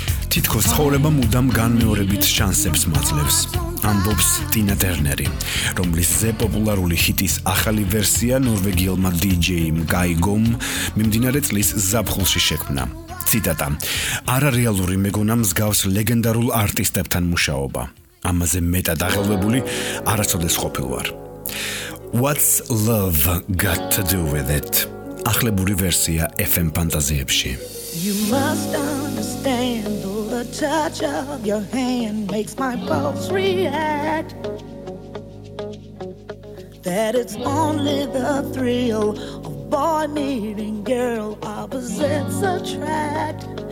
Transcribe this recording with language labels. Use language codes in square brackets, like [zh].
[ka] თითქოს ცხოვრება მუდამ განმეორებით შანსებს მაძლევს, ამბობს ტინა ტერნერი, რომლის ზე პოპულარული ჰიტის ახალი ვერსია ნორვეგიელმა დიჯეიმ გაიგომ მიმდინარე წლის ზაფხულში შექმნა. ციტატა: არარეალური მეგონა მსგავს ლეგენდარულ არტისტებთან მუშაობა. ამაზე მეტად აღელვებული არასოდეს ყოფილვარ. [en] What's love got to do with it? [ka] ახლებური ვერსია FM ფანტაზიებში. [en] You must understand the touch of your hand makes my pulse react. That it's only the thrill of boy meeting girl, opposites attract.